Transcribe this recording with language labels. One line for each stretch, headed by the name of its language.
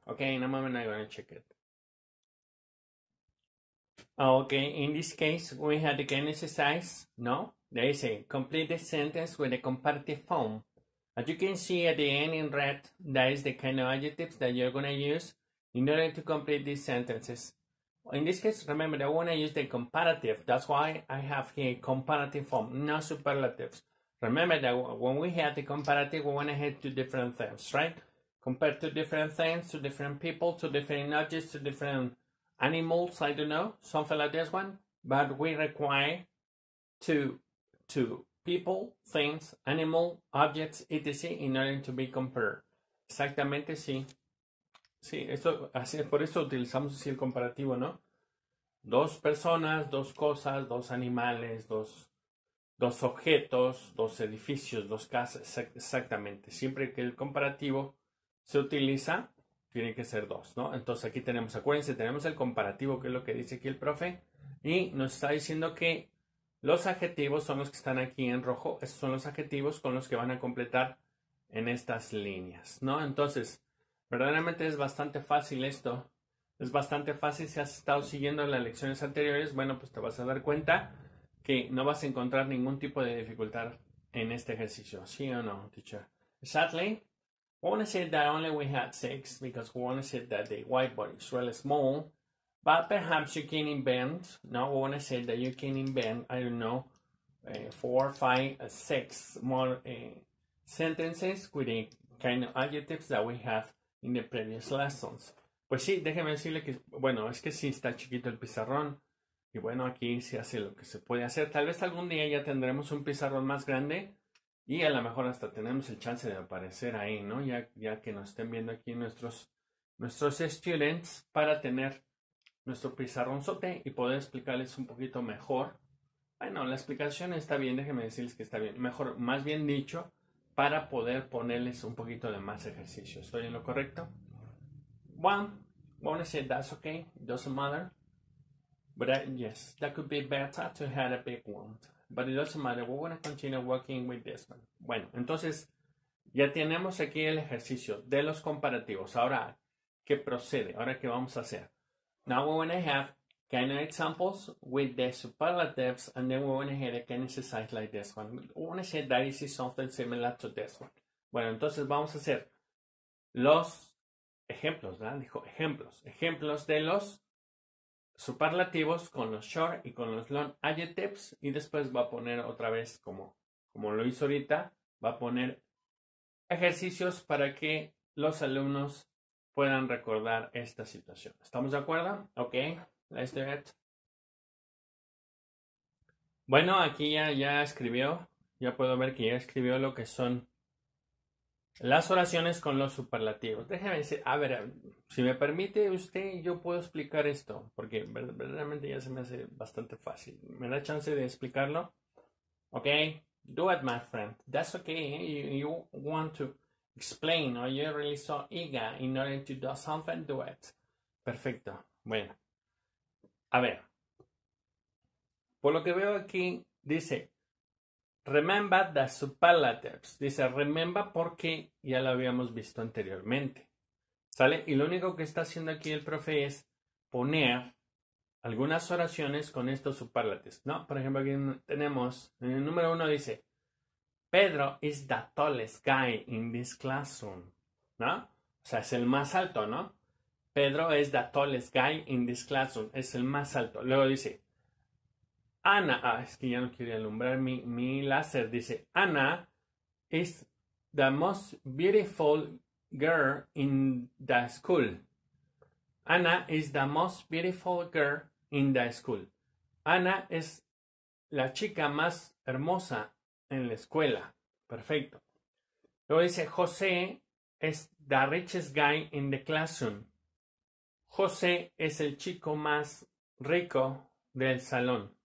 Spanish: Ok, no me van a ir a
English: check it. Okay, in this case we had the exercise, no? They say complete the sentence with a comparative form. As you can see at the end in red, that is the kind of adjectives that you're gonna use in order to complete these sentences. In this case, remember that I wanna use the comparative. That's why I have here comparative form, not superlatives. Remember that when we have the comparative, we wanna head to different things, right? Compare to different things, to different people, to different objects, to different animals, I don't know, something like this one. But we require to people, things, animal, objects, etc. in order to be compared.
Spanish: Exactamente, sí. Sí, esto, así, por eso utilizamos así el comparativo, ¿no? Dos personas, dos cosas, dos animales, dos objetos, dos edificios, dos casas. Exactamente. Siempre que el comparativo se utiliza, tiene que ser dos, ¿no? Entonces aquí tenemos, acuérdense, tenemos el comparativo, que es lo que dice aquí el profe, y nos está diciendo que los adjetivos son los que están aquí en rojo. Esos son los adjetivos con los que van a completar en estas líneas, ¿no? Entonces, verdaderamente es bastante fácil esto. Es bastante fácil si has estado siguiendo las lecciones anteriores. Bueno, pues te vas a dar cuenta que no vas a encontrar ningún tipo de dificultad en este ejercicio. ¿Sí o no, teacher?
English: Sadly, I want to say that only we had six because we want to say that the whiteboard is really small. But perhaps you can invent, no, we want to say that you can invent, I don't know, four, five, six more sentences with the kind of adjectives that we have in the previous lessons.
Spanish: Pues sí, déjeme decirle que, bueno, es que sí está chiquito el pizarrón. Y bueno, aquí se hace lo que se puede hacer. Tal vez algún día ya tendremos un pizarrón más grande. Y a lo mejor hasta tenemos el chance de aparecer ahí, ¿no? Ya que nos estén viendo aquí nuestros students, para tener nuestro pizarronzote y poder explicarles un poquito mejor. Bueno, la explicación está bien, déjenme decirles que está bien. Mejor, más bien dicho, para poder ponerles un poquito de más ejercicio. ¿Estoy en lo correcto? Bueno,
English: say that's okay, doesn't matter. But yes, that could be better to have a big one. But it doesn't matter, we're going to continue working with this one.
Spanish: Bueno, entonces, ya tenemos aquí el ejercicio de los comparativos. Ahora, ¿qué procede? Ahora, ¿qué vamos a hacer?
English: Now we're going to have kind of examples with the superlatives, and then we're going to have a kind of exercise like this one. We want to say that this is something similar to this one.
Spanish: Bueno, entonces vamos a hacer los ejemplos, ¿verdad? Dijo ejemplos. Ejemplos de los superlativos con los short y con los long adjectives, y después va a poner otra vez, como lo hizo ahorita, va a poner ejercicios para que los alumnos puedan recordar esta situación. ¿Estamos de acuerdo?
English: Ok, let's do it.
Spanish: Bueno, aquí ya escribió, ya puedo ver que ya escribió lo que son las oraciones con los superlativos. Déjeme decir, a ver, si me permite usted, yo puedo explicar esto, porque verdaderamente ya se me hace bastante fácil. ¿Me da chance de explicarlo?
English: Ok, do it, my friend. That's okay, you want to explain, or you really so eager in order to do something, do it.
Spanish: Perfecto, bueno. A ver, por lo que veo aquí, dice,
English: remember the superlatives.
Spanish: Dice, remember porque ya lo habíamos visto anteriormente. ¿Sale? Y lo único que está haciendo aquí el profe es poner algunas oraciones con estos superlatives, ¿no? Por ejemplo, aquí tenemos, en el número uno dice,
English: Pedro is the tallest guy in this classroom,
Spanish: ¿no? O sea, es el más alto, ¿no?
English: Pedro is the tallest guy in this classroom.
Spanish: Es el más alto. Luego dice, Ana, es que ya no quiere alumbrar mi láser.
English: Dice, Ana is the most beautiful girl in the school. Ana is the most beautiful girl in the school.
Spanish: Ana es la chica más hermosa en la escuela. Perfecto. Luego dice,
English: José is the richest guy in the classroom.
Spanish: José es el chico más rico del salón.